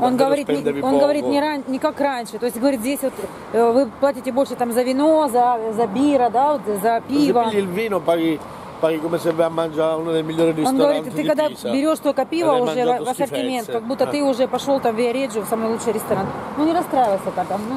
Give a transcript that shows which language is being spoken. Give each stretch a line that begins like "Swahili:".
Russian: он говорит, он говорит не, ран, не как раньше. То есть говорит, здесь вот вы платите больше там за вино, за бира, да, вот, за пиво.
Italian: Se il vino paghi come se vai a mangiare uno dei migliori ristoranti.
Russian: Он говорит, ты когда берешь только пиво уже в ассортимент, как будто ты уже пошел там в Виареджио, в самый лучший ресторан. Ну не расстраивайся так.